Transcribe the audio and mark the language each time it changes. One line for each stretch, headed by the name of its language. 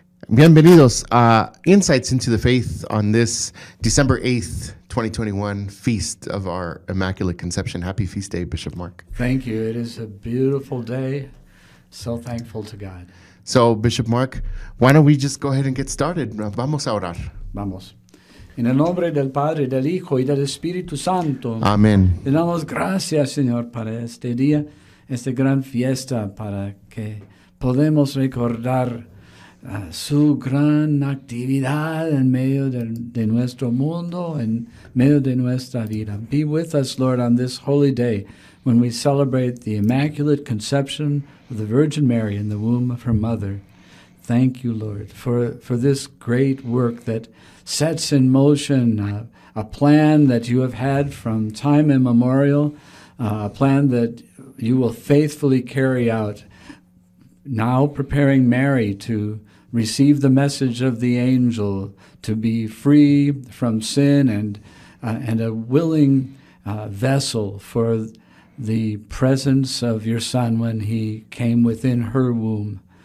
Spanish: Bienvenidos a
English: Insights into the Faith on this December 8th, 2021, Feast of Our Immaculate Conception. Happy Feast Day, Bishop Mark. Thank you. It is a beautiful day. So thankful to God. So, Bishop Mark, why don't we just go ahead and get started?
Spanish: Vamos a orar. Vamos. En el nombre del Padre, del Hijo, y del Espíritu Santo. Amén. Le damos gracias, Señor, para este día, esta gran fiesta, para que podamos recordar su gran actividad en medio de nuestro mundo, en medio de nuestra vida.
English: Be with us, Lord, on this holy day when we celebrate the Immaculate Conception of the Virgin Mary in the womb of her mother. Thank you, Lord, for this great work that sets in motion a plan that you have had from time immemorial, a plan that you will faithfully carry out, now preparing Mary to receive the message of the angel to be free from sin and a willing vessel for the presence of your Son when he came within her womb.